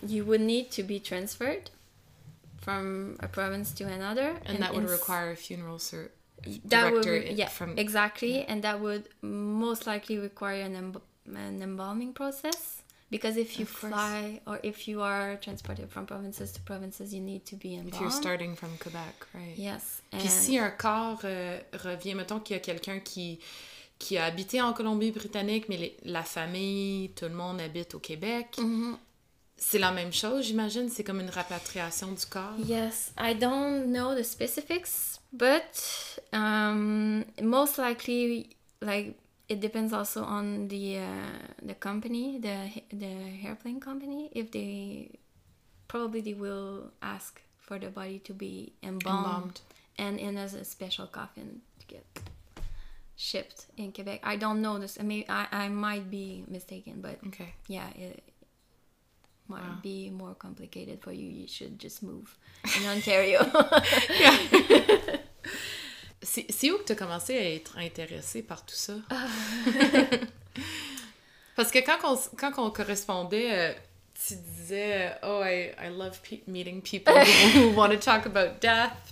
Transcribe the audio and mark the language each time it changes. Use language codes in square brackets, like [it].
[en] You would need to be transferred from a province to another, and that would require a funeral cert. That would, from exactly, and that would most likely require an embalming process. Because if you fly or if you are transported from provinces to provinces, you need to be embalmed. If you're starting from Quebec, right? Yes. [fr] Puis si un corps revient, mettons qu'il y a quelqu'un qui a habité en Colombie-Britannique, mais la famille, tout le monde habite au Québec, mm-hmm. c'est la même chose, j'imagine? C'est comme une rapatriation du corps? [en] Yes. I don't know the specifics, but most likely, like, it depends also on the company, the airplane company. If they probably they will ask for the body to be embalmed and in a special coffin to get shipped in Quebec. I don't know this. I mean, I might be mistaken, but yeah, it might be more complicated for you. You should just move in Ontario. [fr] C'est où que tu as commencé à être intéressée par tout ça? Parce que quand on correspondait, tu disais, [en] oh, I love meeting people who want to talk about death.